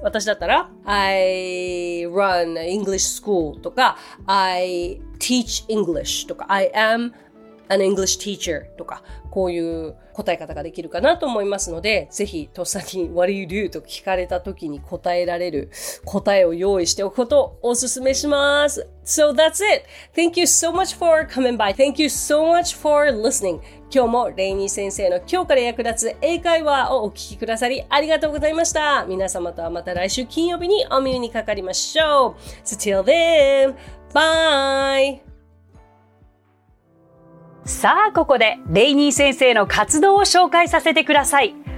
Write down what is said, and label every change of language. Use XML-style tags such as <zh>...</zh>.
<ja>私だったら、</ja> <en>I run English school</en> <ja>とか、</ja> <en>I teach English</en> <ja>とか、</ja> <en>I am an English teacher</en> <ja>とか、こういう答え方ができるかなと思いますので、ぜひ、とっさに</ja> <en>What do you do?</en> <ja>と聞かれた時に答えられる答えを用意しておくことをおすすめします。</ja> <en>So that's it! Thank you so much for coming by. Thank you so much for listening.</en> <ja>今日もレイニー先生の今日から役立つ英会話をお聞きくださりありがとうございました。皆様とはまた来週金曜日にお耳にかかりましょう。</ja> <en>So till then! Bye!</en> <ja>さあここでレイニー先生の活動を紹介させてください。</ja>